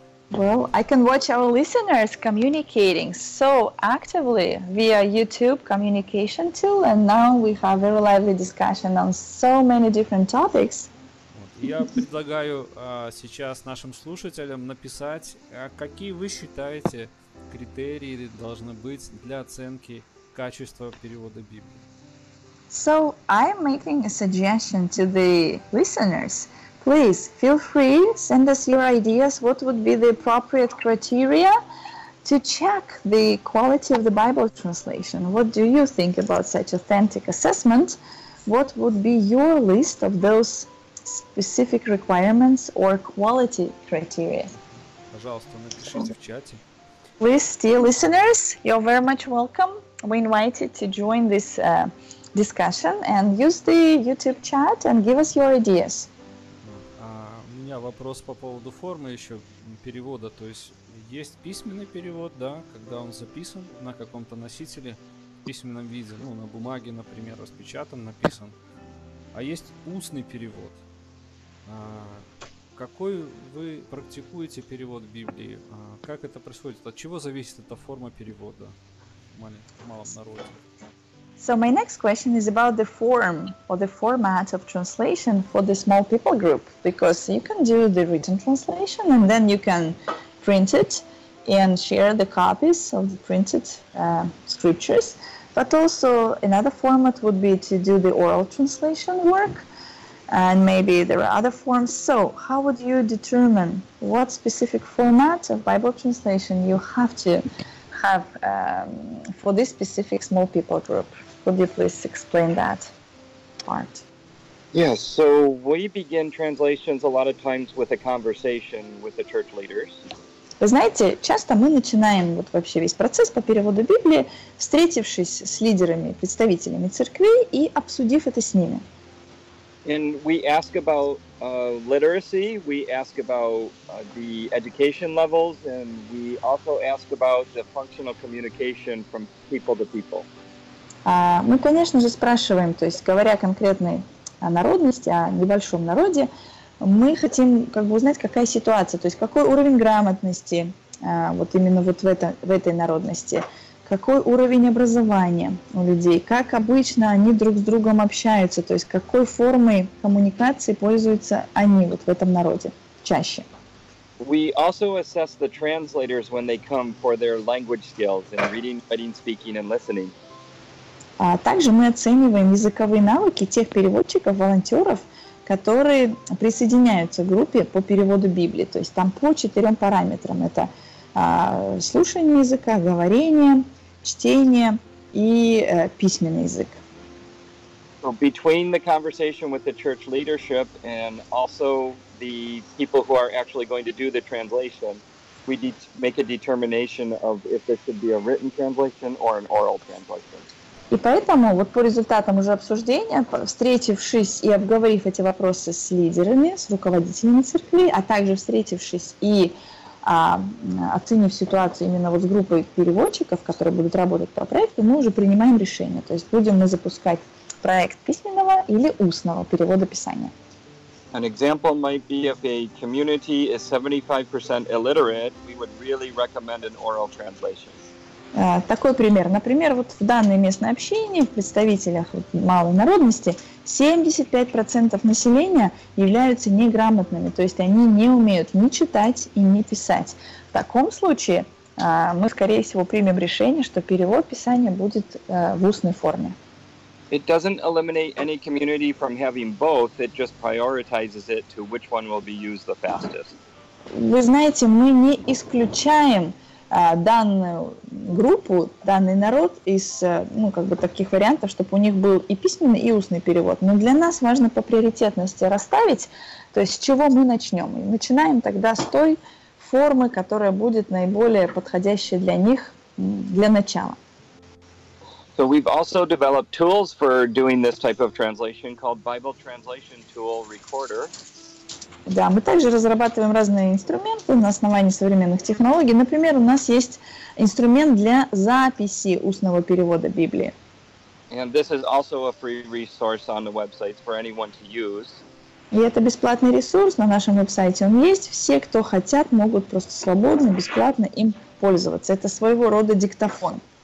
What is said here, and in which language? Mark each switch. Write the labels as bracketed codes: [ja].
[en] Well, I can watch our listeners communicating so actively via YouTube communication tool, and now we have a very lively discussion on so many different topics. [ru] Вот. Я предлагаю сейчас нашим слушателям написать, какие вы считаете критерии должны быть для оценки качества перевода Библии. [en] So I'm making a suggestion to the listeners. Please feel free, send us your ideas, what would be the appropriate criteria to check the quality of the Bible translation. What do you think about such authentic assessment? What would be your list of those specific requirements or quality criteria? [ru] Пожалуйста, напишите в чате. [en] Please, dear listeners, you're very much welcome. We invite you to join this discussion and use the YouTube chat and give us your ideas. [ru] У меня вопрос по поводу формы еще перевода, то есть есть письменный перевод, да, когда он записан на каком-то носителе в письменном виде, ну, на бумаге, например, распечатан, написан, а есть устный перевод. Какой вы практикуете перевод Библии? Как это происходит? От чего зависит эта форма перевода в малом народе? [en] So my next question is about the form or the format of translation for the small people group, because you can do the written translation and then you can print it and share the copies of the printed scriptures. But also another format would be to do the oral translation work, and maybe there are other forms. So how would you determine what specific format of Bible translation you have to have for this specific small people group? Could you please explain that part? Yes, so we begin translations a lot of times with a conversation with the church leaders. [ru] Вы знаете, часто мы начинаем вот вообще весь процесс по переводу Библии, встретившись с лидерами, представителями церквей и обсудив это с ними. [en] And we ask about literacy, we ask about the education levels, and we also ask about the functional communication from people to people. [ru] Мы, конечно же, спрашиваем, то есть говоря о конкретной народности, о небольшом народе, мы хотим как бы узнать, какая ситуация, то есть какой уровень грамотности вот именно вот в этой народности, какой уровень образования у людей, как обычно они друг с другом общаются, то есть какой формой коммуникации пользуются они вот в этом народе чаще. [en] We also assess the translators when they come for their language skills in reading, writing, speaking and listening. [ru] А также мы оцениваем языковые навыки тех переводчиков, волонтеров, которые присоединяются к группе по переводу Библии. То есть там по четырем параметрам. Это слушание языка, говорение, чтение и письменный язык. [en] So between the conversation with the church leadership and also the people who are actually going to do the translation, we make a determination of if this should be a written translation or an oral translation. [ru] И поэтому, вот по результатам уже обсуждения, встретившись и обговорив эти вопросы с лидерами, с руководителями церкви, а также встретившись и оценив ситуацию именно вот с группой переводчиков, которые будут работать по проекту, мы уже принимаем решение. То есть будем мы запускать проект письменного или устного перевода Писания. [en] An example might be if a community is 75% illiterate, we would really recommend an oral translation. [ru] Такой пример. Например, вот в данной местной общине, в представителях вот малой народности, 75% населения являются неграмотными, то есть они не умеют ни читать и ни писать. В таком случае мы, скорее всего, примем решение, что перевод Писания будет в устной форме. [en] It doesn't eliminate any community from having both, it just prioritizes it to which one will be used the fastest. [ru] Вы знаете, мы не исключаем данную группу, данный народ из, ну, как бы таких вариантов, чтобы у них был и письменный, и устный перевод. Но для нас важно по приоритетности расставить, то есть с чего мы начнем. И начинаем тогда с той формы, которая будет наиболее подходящей для них для начала. [en] So we've also developed tools for doing this type of translation called Bible Translation Tool Recorder. [ru] Да, мы также разрабатываем разные инструменты на основании современных технологий. Например, у нас есть инструмент для записи устного перевода Библии. [en] And this is also a free resource on the websites for anyone to use. [ru] И это бесплатный ресурс на нашем веб-сайте. Он есть. Все, кто хотят, могут просто свободно, бесплатно им пользоваться. Это своего рода диктофон.